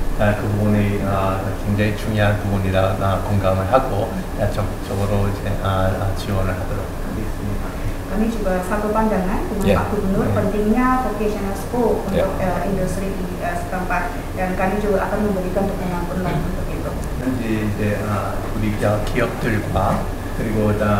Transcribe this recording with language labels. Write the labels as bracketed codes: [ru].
[ko] 그 부분이 굉장히 중요한 부분이라 공감을 하고 적극적으로 이제 지원을 하도록 하겠습니다. [id] Kami juga satu pandangan dengan Pak Gubernur pentingnya vocational school untuk industri di setempat dan kami juga akan memberikan dukungan penuh untuk itu. [ko] 현재 이제 우리 기업들과 그리고